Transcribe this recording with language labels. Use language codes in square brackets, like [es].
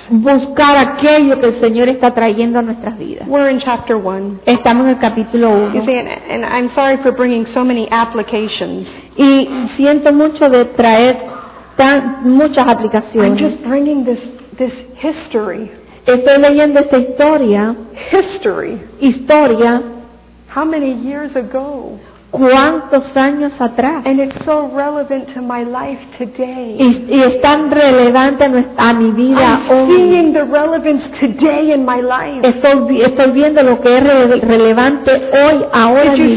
[es] Buscar aquello que el Señor está trayendo a nuestras vidas. [en] We're in chapter 1. [es] Estamos en el capítulo 1. [en] And I'm sorry for bringing so many applications. [es] Y siento mucho de traer muchas aplicaciones. [en] I'm just bringing this history. [es] Estoy leyendo esta historia. [en] History. [es] Historia. [en] How many years ago? [es] ¿Cuántos años atrás? [en] And it's so relevant to my life today. [es] Y es tan relevante a mi vida hoy. [en] I'm seeing the relevance today in my life. [es] Estoy viendo lo que es relevante hoy ahora en mi vida.